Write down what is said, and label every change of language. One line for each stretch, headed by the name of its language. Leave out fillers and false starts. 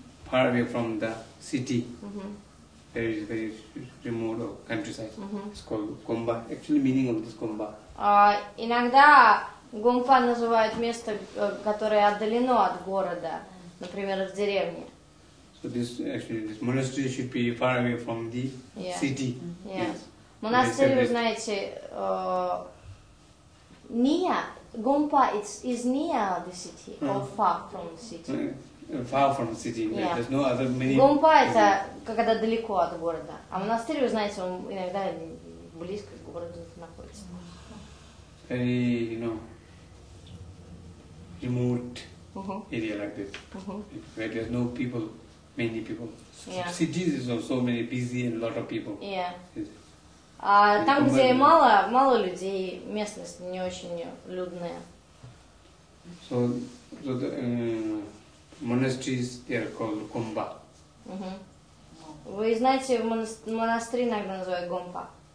English: Far away from the city. Very, very remote countryside. It's called Гумба. Actually, meaning of this Гумба.
Russian: Иногда Гумпа называют место, которое отдалено от города, например, от деревни.
English: So this actually this monastery should be far away from the city.
Russian: Монастырь, вы знаете,
English: near Гумпа, it's near the city or far from the city. Far from the city. Yeah. There's no other many.
Russian: Гумпа это когда далеко от города. А монастырь, вы знаете, он иногда близко к городу находится.
English: Very, you know, remote area like this, where there's no people, many people. Yeah. Cities is also many busy and a lot of people. Yeah.
Russian: А там, где мало людей, местность не очень людная.
English: So the monasteries, they are called Gompa.
Russian: Вы знаете, монастыри иногда называют Гомпа.